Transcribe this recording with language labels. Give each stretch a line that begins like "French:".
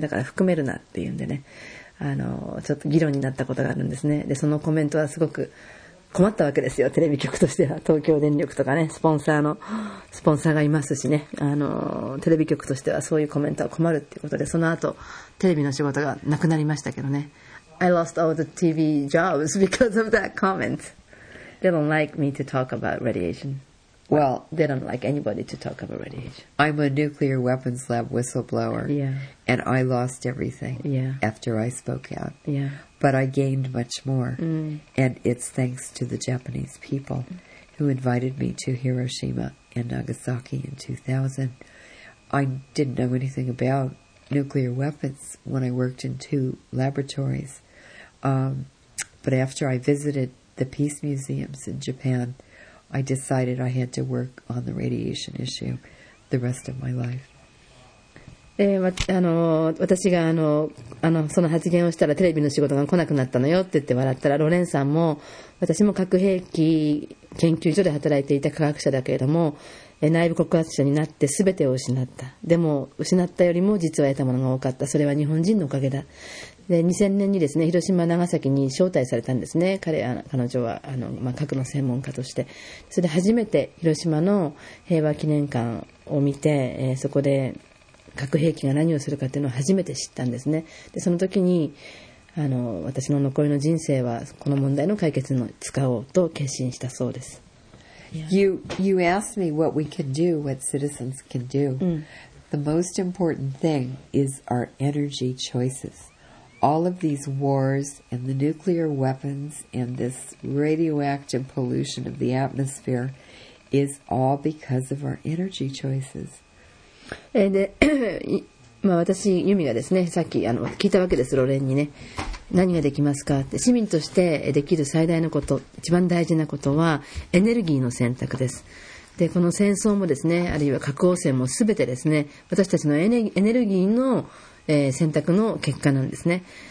Japanese: だから含めるなって言うんでね、ちょっと議論になったことがあるんですね。で、そのコメントはすごく困ったわけですよ。テレビ局としては東京電力とかね、スポンサーがいますしね、テレビ局としてはそういうコメントは困るっていうことで、その後テレビの仕事がなくなりましたけどね。
English: I lost all the TV jobs because of that comment. They don't like me to talk about radiation. Well, they don't like anybody to talk about radiation. I'm a nuclear weapons lab whistleblower. Yeah. And I lost everything after I spoke out. Yeah. But I gained much more. Mm. And it's thanks to the Japanese people who invited me to Hiroshima and Nagasaki in 2000. I didn't know anything about nuclear weapons when I worked in two laboratories. But after I visited the peace museums in Japan, I decided I had to work on the radiation issue the rest of my life.
Japanese: 私がその発言をしたらテレビの仕事が来なくなったのよって言って笑ったら、ロレンさんも私も核兵器研究所で働いていた科学者だけれども、内部告発者になって全てを失った。でも失ったよりも実は得たものが多かった。それは日本人のおかげだ。で、2000年にですね、広島長崎に招待されたんですね。彼女は核の専門家として、それで初めて広島の平和記念館を見て、そこで核兵器が何をするかっていうのを初めて知ったんですね。で、その時に私の残りの人生はこの問題の解決に使おうと決心したそうです。
English: Yeah. You asked me what we can do, what citizens can do. Mm. The most important thing is our energy choices. All of these wars and the nuclear weapons and this radioactive pollution of the atmosphere is all because of our energy choices.
Japanese: And私、ユミがですね、さっき聞いたわけです、ロレンにね。何ができますかって、市民としてできる最大のこと、一番大事なことは、エネルギーの選択です。で、この戦争もですね、あるいは核汚染もすべてですね、私たちのエネルギーの、選択の結果なんですね。